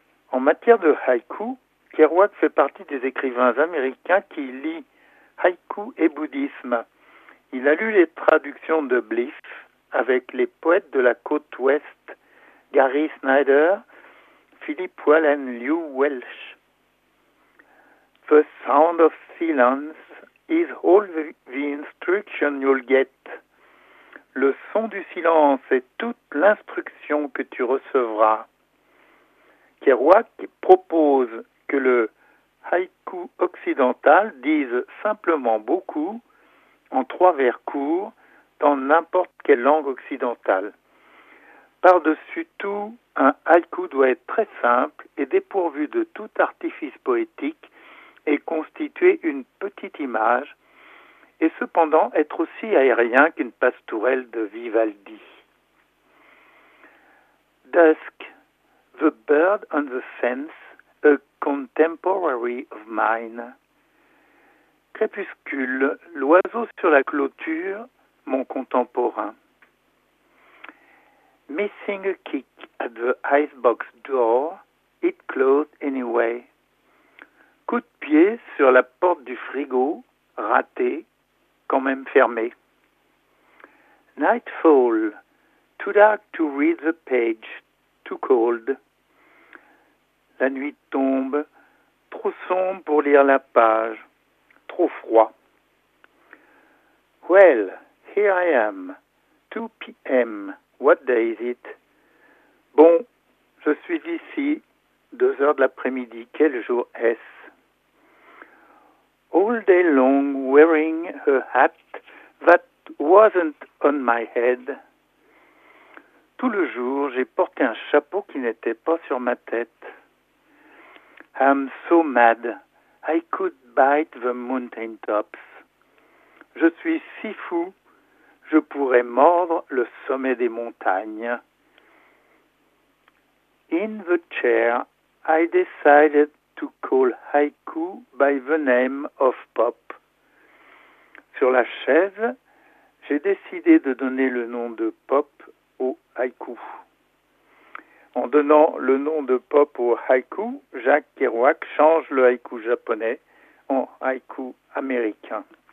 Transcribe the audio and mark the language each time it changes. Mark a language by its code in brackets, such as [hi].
[fr] En matière de haïku, Kerouac fait partie des écrivains américains qui lient haïku et bouddhisme. Il a lu les traductions de Bliss avec les poètes de la côte ouest, Gary Snyder, Philip Whalen, Liu Welsh. [en] The sound of silence is all the instruction you'll get. [fr] Le son du silence est toute l'instruction que tu recevras. Kerouac propose que le haïku occidental dise simplement beaucoup en trois vers courts dans n'importe quelle langue occidentale. Par-dessus tout, un haïku doit être très simple et dépourvu de tout artifice poétique et constituer une petite image et cependant être aussi aérien qu'une passerelle de Vivaldi. [en] Dusk. The Bird on the Fence, a Contemporary of Mine. [fr] Crépuscule, l'oiseau sur la clôture, mon contemporain. [en] Missing a kick at the icebox door, it closed anyway. [fr] Coup de pied sur la porte du frigo, raté, quand même fermé. [en] Nightfall, too dark to read the page, too cold. [fr] La nuit tombe, trop sombre pour lire la page, trop froid. [en] Well, here I am, 2 p.m., what day is it? [fr] Bon, je suis ici, 2 heures de l'après-midi, quel jour est-ce? [en] All day long, wearing a hat that wasn't on my head. [fr] Tout le jour, j'ai porté un chapeau qui n'était pas sur ma tête. [en] I'm so mad, I could bite the mountain tops. [fr] Je suis si fou, je pourrais mordre le sommet des montagnes. [en] In the chair, I decided to call haiku by the name of pop. [fr] Sur la chaise, j'ai décidé de donner le nom de pop au haiku. En donnant le nom de pop au haïku, Jack Kerouac change le haïku japonais en haïku américain.